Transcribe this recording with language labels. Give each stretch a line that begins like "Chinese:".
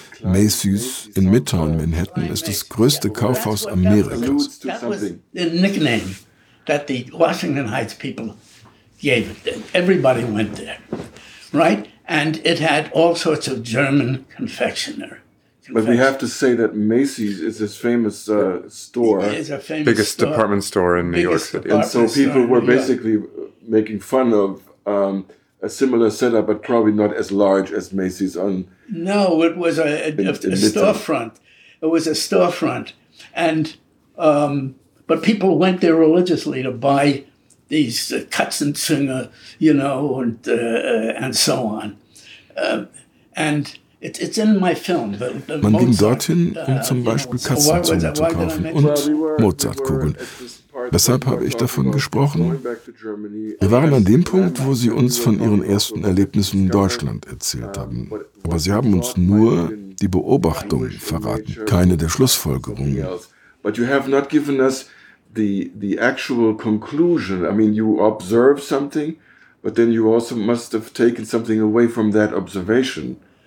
German: Macy's in Midtown Manhattan ist das größte Kaufhaus Amerikas.
English: That was the nickname that the Washington Heights people gave it. Everybody went there, right? And it had all sorts of German confectioner. But we have to say that Macy's is this famous store. It is a famous biggest store. Department store in New biggest York City. And so people were basically making fun of a similar setup, but probably not as large as Macy's. No, it was a storefront. It was a storefront. And but people went there religiously to buy these Katzenzünger, you know, and so on. And it's in my film.
German: Man ging dorthin, um zum Beispiel Katzenzünger zu kaufen und Mozartkugeln. Weshalb habe ich davon gesprochen? Wir waren an dem Punkt, wo Sie uns von Ihren ersten Erlebnissen in Deutschland erzählt haben. Aber Sie haben uns nur die Beobachtung verraten, keine der Schlussfolgerungen.
English: But you have not given us the actual conclusion. I mean, you observe something, But then you also must have taken something away from that observation.